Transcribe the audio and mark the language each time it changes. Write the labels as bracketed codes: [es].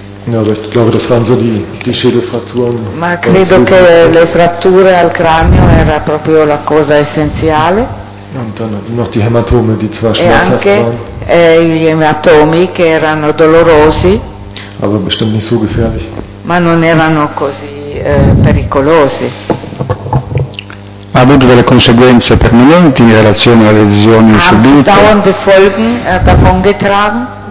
[de] Ja, aber ich glaube, das waren so die Schädelfrakturen. [it] Ma credo che le fratture al cranio era proprio la cosa essenziale. [de] Und dann noch die Hämatome, die zwar schmerzhaft waren. [it] E gli ematomi che erano dolorosi. [de] Aber bestimmt nicht so gefährlich. [it] Ma non erano così. Pericolosi. Ha avuto delle conseguenze permanenti in relazione alle lesioni subite? [de] Dauernde Folgen davon getragen?